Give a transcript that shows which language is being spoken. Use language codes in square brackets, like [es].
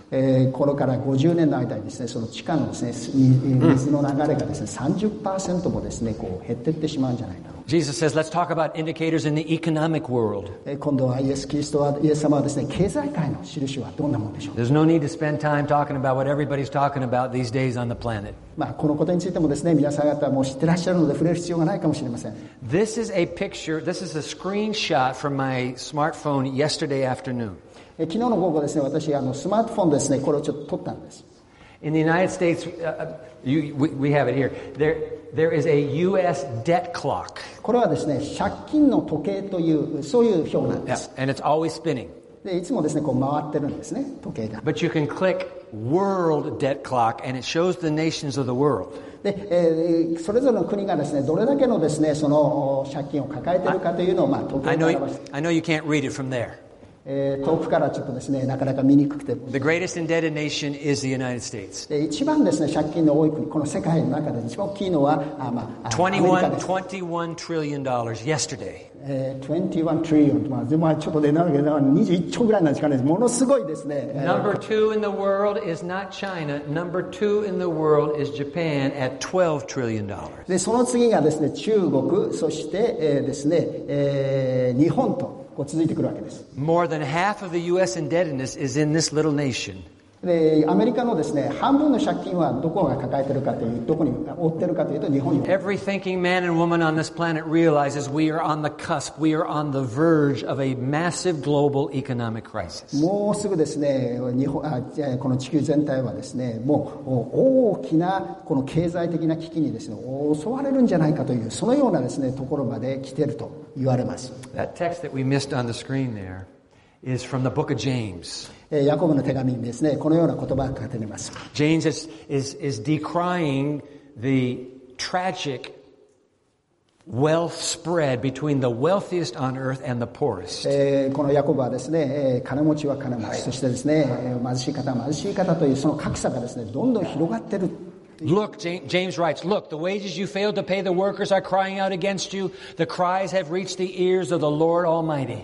[ja] これから50年の間にですね、その地下のですね、水の流れがですね、30% もですね、こう減ってってしまうんじゃないかと。 [en] Jesus says, let's talk about indicators in the economic world. [ja] 今度はイエス・キリストは、イエス様はですね、経済界の印はどんなものでしょう。 [en] There's no need to spend time talking about what everybody's talking about these days on the planet. [ja] まあ、このことについてもですね、皆さん方はもう知ってらっしゃるので触れる必要がないかもしれません。 [en] This is a picture, this is a screenshot from my smartphone yesterday afternoon. [ja] 昨日の午後ですね、私あのスマートフォンですね、これをちょっと撮ったんです。 [en] In the United States, we have it here. There is a U.S. debt clock. [ja] これはですね、借金の時計という、そういう表なんです。 [en] Yeah, and it's always spinning. [ja] で、いつもですね、こう回ってるんですね、時計が。 [en] But you can click world debt clock and it shows the nations of the world. [ja] で、それぞれの国がですね、どれだけのですね、その借金を抱えてるかというのを、まあ、時計が表して。 [en] I know you can't read it from there. [ja] 遠くからちょっとですね、なかなか見にくくて。 [en] The greatest indebted nation is the United States. [ja] 一番ですね、借金の多い国、この世界の中で一番大きいのは、まあ、アメリカです。 [en] $21 trillion yesterday. $21 trillion. [ja] まあ、21兆ぐらいなんですかね。ものすごいですね。 [en] Number two in the world is not China. Number two in the world is Japan at $12 trillion. [ja] で、その次がですね、中国、そして、ですね、日本と。こう続いてくるわけです。 [en] More than half of the U.S. indebtedness is in this little nation. [ja] で、アメリカのですね、半分の借金はどこが抱えてるかという、どこに負ってるかというと日本に。 [en] Every thinking man and woman on this planet realizes we are on the cusp, we are on the verge of a massive global economic crisis. [ja] もうすぐですね、日本、この地球全体はですね、もう大きなこの経済的な危機にですね、襲われるんじゃないかというそのようなですね、ところまで来てると。言われます。 [en] That text that we missed on the screen there is from the book of James. [ja] ヤコブの手紙にですね、このような言葉が書かれています。 [en] James is decrying the tragic wealth spread between the wealthiest on earth and the poorest. [ja] このヤコブはですね、金持ちは金持ち、そしてですね、貧しい方は貧しい方というその格差がですね、どんどん広がってる。 [en] Look, James writes, look, the wages you failed to pay the workers are crying out against you. The cries have reached the ears of the Lord Almighty.